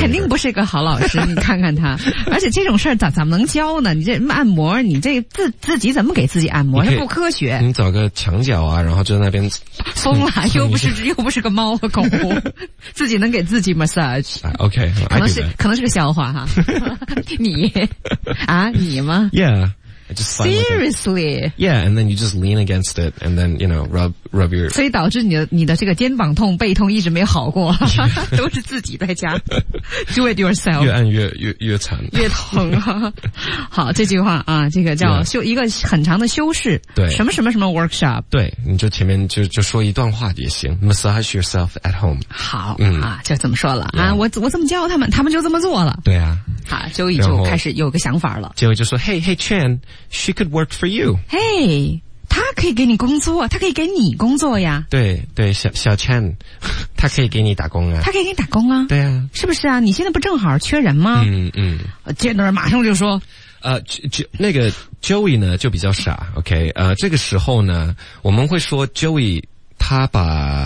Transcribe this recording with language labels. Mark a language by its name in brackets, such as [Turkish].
[Chinese] 肯定不是一个好老师你看看他而且这种事怎么能教呢你这按摩你这 自己怎么给自己按摩这不科学你找个墙角啊然后就在那边疯了又不是个猫和狗自己能给自己 massage OK 可能是个笑话哈你啊，你吗 [English] ？Yeah, I just seriously. Yeah, and then you just lean against it, and then you know, rub your. [Chinese] 所以导致你的这个肩膀痛、背痛一直没好过， yeah. 都是自己在家 do it yourself. 越按越惨，越疼、啊。好，这句话啊，这个叫修、yeah. 一个很长的修饰。对，什么什么什么 workshop。对，你就前面就说一段话也行 ， massage yourself at home. 好、啊，就这么说了、yeah. 啊，我这么教他们就这么做了。对啊。好，周易就开始有个想法了。 [English] 周易就说 ：“Hey, Chen, she could work for you. [Chinese] Hey, 她可以给你工作，她可以给你工作呀。对对，小 Chen， 她可以给你打工啊。她可以给你打工啊。对啊，是不是啊？你现在不正好缺人吗？ Chandler 马上就说，那个 Joey 呢就比较傻 ，OK， 这个时候呢，我们会说 Joey 他把。